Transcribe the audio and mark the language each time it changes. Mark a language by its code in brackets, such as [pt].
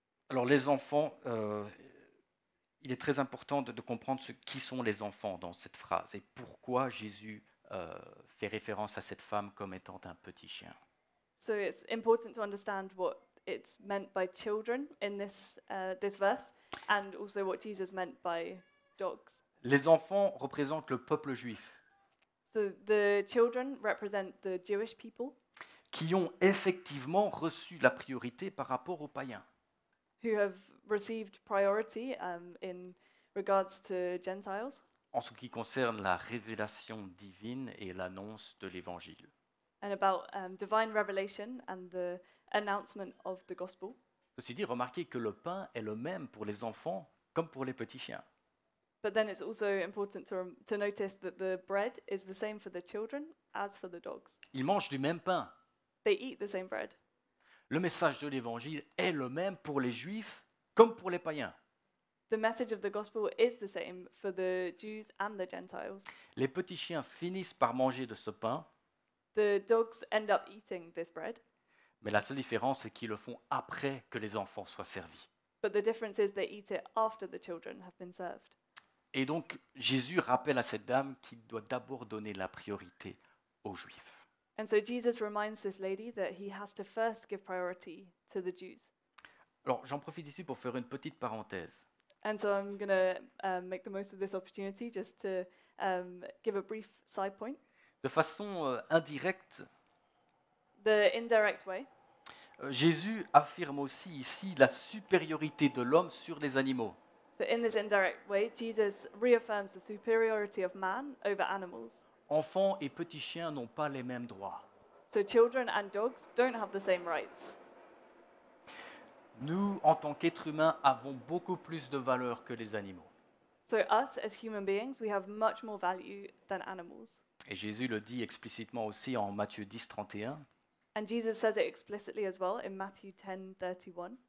[fr] Alors les enfants, il est très important de comprendre qui sont les enfants dans cette phrase et pourquoi Jésus. Fait référence à cette femme comme étant un petit chien. [en] So it's important to understand what it's meant by children in this this verse and also what Jesus meant by dogs. [fr] Les enfants représentent le peuple juif. [en] So the children represent the Jewish people [fr] qui ont effectivement reçu la priorité par rapport aux païens. [en] Who have received priority in regards to Gentiles. [fr] En ce qui concerne la révélation divine et l'annonce de l'Évangile. [en] And about divine revelation and the announcement of the gospel. [fr] Ceci dit, remarquez que le pain est le même pour les enfants comme pour les petits chiens. [en] But then it's also important to notice that the bread is the same for the children as for the dogs. [fr] Ils mangent du même pain. [en] They eat the same bread. [fr] Le message de l'Évangile est le même pour les juifs comme pour les païens. [en] The message of the gospel is the same for the Jews and the Gentiles. [fr] Les petits chiens finissent par manger de ce pain. [en] The dogs end up eating this bread. [fr] Mais la seule différence est qu'ils le font après que les enfants soient servis. [en] But the difference is they eat it after the children have been served. [fr] Et donc, Jésus rappelle à cette dame qu'il doit d'abord donner la priorité aux Juifs. [en] And so Jesus reminds this lady that he has to first give priority to the Jews. [fr] Alors, j'en profite ici pour faire une petite parenthèse. [en] And so I'm going to make the most of this opportunity just to give a brief side point. [fr] De façon indirecte. [en] The indirect way. [fr] Jésus affirme aussi ici la supériorité de l'homme sur les animaux. [en] So in this indirect way, Jesus reaffirms the superiority of man over animals. [fr] Enfants et petits chiens n'ont pas les mêmes droits. [en] So children and dogs don't have the same rights. [fr] Nous, en tant qu'êtres humains, avons beaucoup plus de valeur que les animaux. [en] So us, as human beings, we have much more value than animals. [fr] Et Jésus le dit explicitement aussi en Matthieu 10, 31. [en] And Jesus says it explicitly as well in Matthew 10, 31.